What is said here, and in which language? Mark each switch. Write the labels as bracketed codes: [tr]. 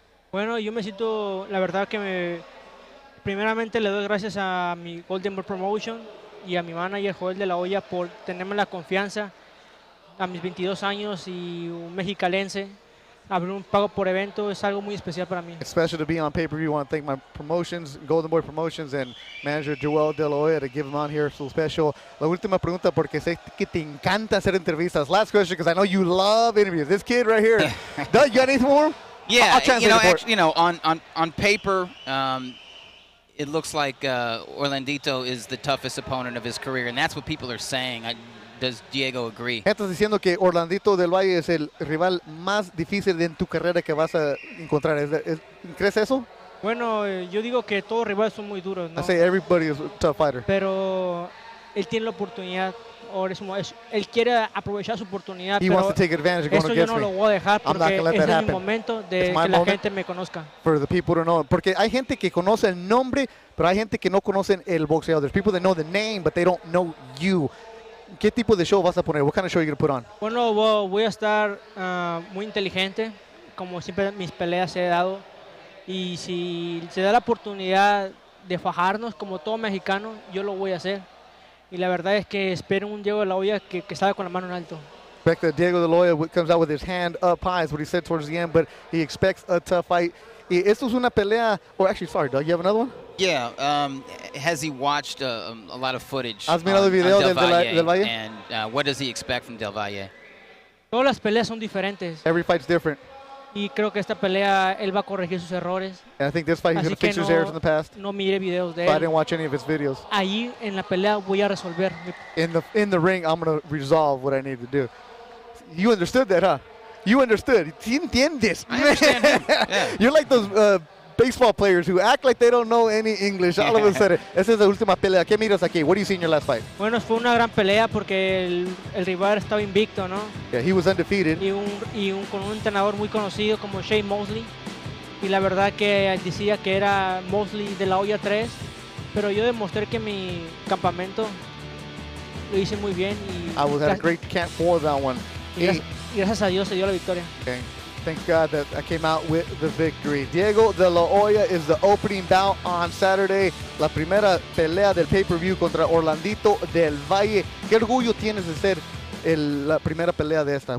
[es] Bueno, yo me siento, la verdad que primeramente le doy gracias a mi Golden Boy Promotion y a mi manager Joel de la Hoya por tenerme la confianza a mis 22 años y un mexicalense. Abrir un pago por evento es algo muy especial para mí. [en] Special to be on pay-per-view. I want to thank my promotions, Golden Boy Promotions, and manager Joel de la Hoya to give him on here so special. [es] La última pregunta, porque sé que te encanta hacer entrevistas. [en] Last question, because I know you love interviews. This kid right here. Doug, you got anything more? Yeah. I'll translate on paper, it looks like Orlandito is the toughest opponent of his career, and that's what people are saying. Does Diego agree? [es] Estás diciendo que Orlandito del Valle es el rival más difícil en tu carrera que vas a encontrar. ¿Crees eso? Bueno, yo digo que todos los rivales son muy duros, ¿no? [en] I say everybody is a tough fighter. [es] Pero él tiene la oportunidad. Él quiere aprovechar su oportunidad. [en] He wants to take advantage of going against me. [es] Eso yo no lo voy a dejar porque ese es mi momento de que la gente me conozca. [en] For the people to know. [es] Porque hay gente que conoce el nombre, pero hay gente que no conoce el boxeo. [en] There's people that know the name, but they don't know you. [es] ¿Qué tipo de show vas a poner? [en] What kind of show are you going to put on? [es] Bueno, voy a estar muy inteligente, como siempre mis peleas he dado. Y si se da la oportunidad de fajarnos, como todo mexicano, yo lo voy a hacer. Y la verdad es que espero un Diego de la Hoya que salga con la mano en alto. [en] Expect that Diego de la Hoya comes out with his hand up high, is what he said towards the end, but he expects a tough fight. [es] Y esto es una pelea, Doug, [en] you have another one? Yeah, has he watched a lot of footage [es] ¿Has mirado el video del Valle? [en] And what does he expect from Del Valle? [es] Todas las peleas son diferentes. [en] Every fight's different. [es] Y creo que esta pelea, él va a corregir sus errores. [en] And I think this fight, he's going to fix his errors in the past. [es] No mire videos de [en] él. But I didn't watch any of his videos. [es] Ahí, en la pelea, voy a resolver. [en] In the ring, I'm going to resolve what I need to do. You understood that, huh? You understood. [es] ¿Sí entiendes? [en] I understand. Yeah. You're like those baseball players who act like they don't know any English. All of a sudden, [es] esa es la última pelea. ¿Qué miras aquí? [en] What do you see in your last fight? [es] Bueno, fue una gran pelea porque el rival estaba invicto, ¿no? [en] Yeah, he was undefeated. [es] Y con un entrenador muy conocido como Shane Mosley. Y la verdad que decía que era Mosley de la Hoya 3. Pero yo demostré que mi campamento lo hice muy bien. Y [en] I was at a great camp for that one. [es] Y gracias a Dios se dio la victoria. [en] Okay. Thank God that I came out with the victory. Diego de la Hoya is the opening bout on Saturday. [es] La primera pelea del pay-per-view contra Orlandito del Valle. ¿Qué orgullo tienes de ser la primera pelea de esta?